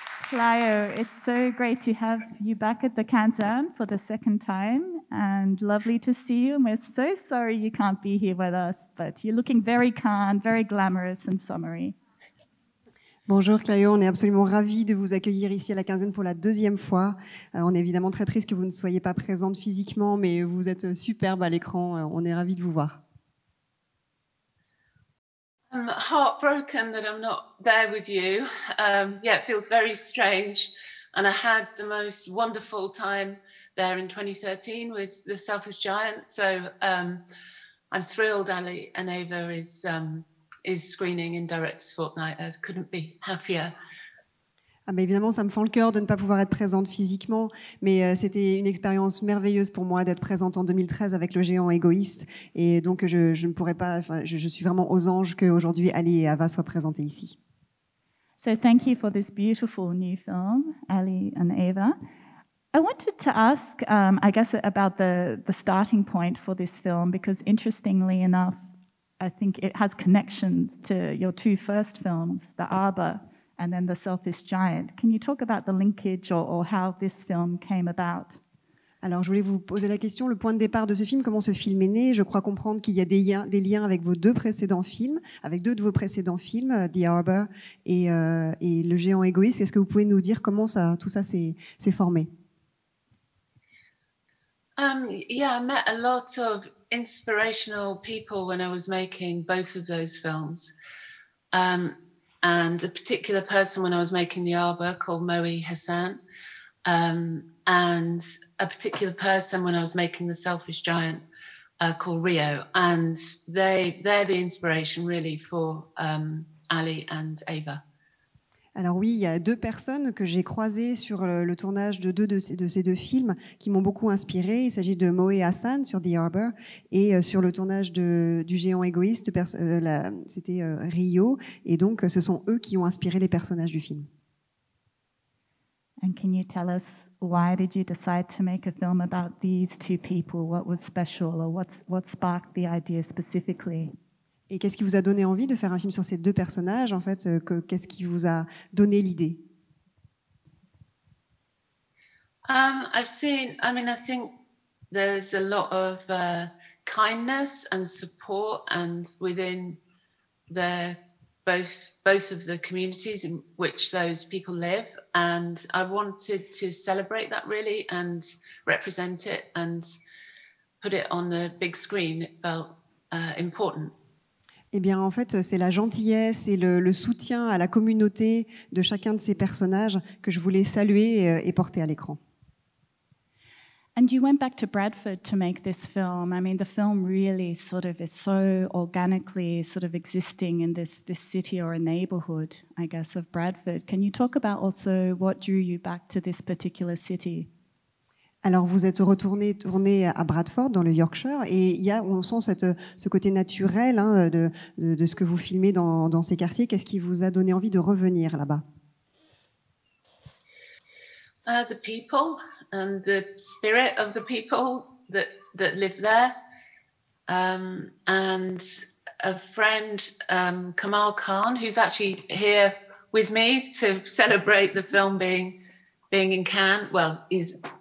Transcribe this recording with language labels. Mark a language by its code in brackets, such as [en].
[en] Clio, it's so great to have you back at the Quinzaine for the second time, and lovely to see you. And we're so sorry you can't be here with us, but you're looking very calm, very glamorous and summery. [fr] Bonjour Clio, on est absolument ravis de vous accueillir ici à la Quinzaine pour la deuxième fois. On est évidemment très triste que vous ne soyez pas présente physiquement, mais vous êtes superbe à l'écran. On est ravis de vous voir. [en] I'm heartbroken that I'm not there with you. Yeah, it feels very strange. And I had the most wonderful time there in 2013 with The Selfish Giant. So I'm thrilled Ali and Ava is screening in Director's Fortnight. I couldn't be happier. [fr] Ah ben évidemment, ça me fend le cœur de ne pas pouvoir être présente physiquement, mais c'était une expérience merveilleuse pour moi d'être présente en 2013 avec le géant égoïste. Et donc, je ne pourrais pas, enfin, je suis vraiment aux anges qu'aujourd'hui Ali et Ava soient présentées ici. [en] So, thank you for this beautiful new film, Ali and Ava. I wanted to ask, I guess, about the starting point for this film, because interestingly enough, I think it has connections to your two first films, The Arbor and then The Selfish Giant. Can you talk about the linkage or how this film came about? [fr] Alors, je voulais vous poser la question, le point de départ de ce film, comment ce film est né? Je crois comprendre qu'il y a des liens avec vos deux précédents films, avec deux de vos précédents films, The Arbor et Le Géant Égoïste. Est-ce que vous pouvez nous dire comment ça, tout ça s'est formé? [en] Yeah, I met a lot of inspirational people when I was making both of those films. And a particular person when I was making The Arbor called Moe Hassan, and a particular person when I was making The Selfish Giant called Rio. And they're the inspiration really for Ali and Ava. [fr] Alors oui, il y a deux personnes que j'ai croisées sur le tournage de deux de ces deux films qui m'ont beaucoup inspirée. Il s'agit de Moe Hassan sur The Arbor et sur le tournage du géant égoïste, c'était Rio. Et donc, ce sont eux qui ont inspiré les personnages du film. [en] And can you tell us why did you decide to make a film about these two people? What was special, or what sparked the idea specifically? [fr] Et qu'est-ce qui vous a donné envie de faire un film sur ces deux personnages, en fait? Qu'est-ce qui vous a donné l'idée? [en] I think there's a lot of kindness and support and within the both of the communities in which those people live, and I wanted to celebrate that really and represent it and put it on the big screen. It felt important. [fr] Eh bien, en fait, c'est la gentillesse et le soutien à la communauté de chacun de ces personnages que je voulais saluer et porter à l'écran. [en] And you went back to Bradford to make this film. I mean, the film really sort of is so organically sort of existing in this city or a neighborhood, I guess, of Bradford. Can you talk about also what drew you back to this particular city? [fr] Alors, vous êtes retourné à Bradford, dans le Yorkshire, et on sent ce côté naturel hein, de ce que vous filmez dans ces quartiers. Qu'est-ce qui vous a donné envie de revenir là-bas? [en] The people and the spirit of the people that live there. And a friend, Kamal Khan, who's actually here with me to celebrate the film being in Cannes. Well, he's...